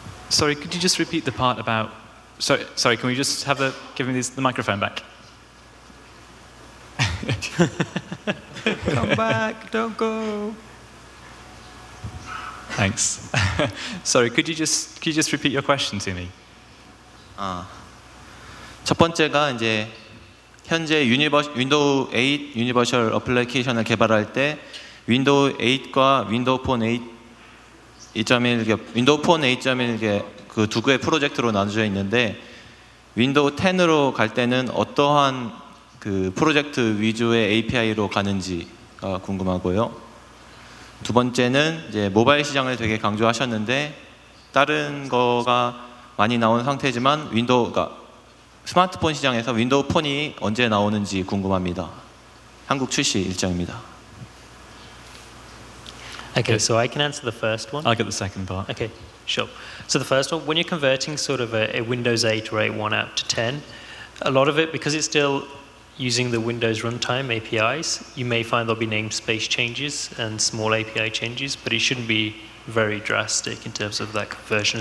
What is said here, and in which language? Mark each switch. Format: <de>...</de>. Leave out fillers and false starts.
<en>Sorry, could you just repeat the part about sorry, can we just have give me the microphone back? Come back, don't go. Thanks. Sorry, could you just repeat your question to me?</en> <ko>첫 번째가 이제 현재 윈도우 8 유니버셜 어플리케이션을 개발할 때 윈도우 8과 윈도우 폰 8.1 윈도우 폰 8.1 그 두 개의 프로젝트로 나누어져 있는데 윈도우 10으로 갈 때는 어떠한 그 프로젝트 위주의 API로 가는지가 궁금하고요. 두 번째는 이제 모바일 시장을 되게 강조하셨는데 다른 거가 많이 나온 상태지만 윈도우가 스마트폰 시장에서 윈도우 폰이 언제 나오는지 궁금합니다. 한국 출시 일정입니다.</ko> <en>Okay, so I can answer the first one. I'll get the second part. Okay, sure. So the first one, when you're converting sort of a Windows 8 or 8.1 app to 10, a lot of it, because it's still using the Windows runtime APIs, you may find there'll be namespace changes and small API changes, but it shouldn't be very drastic in terms of that conversion.</en>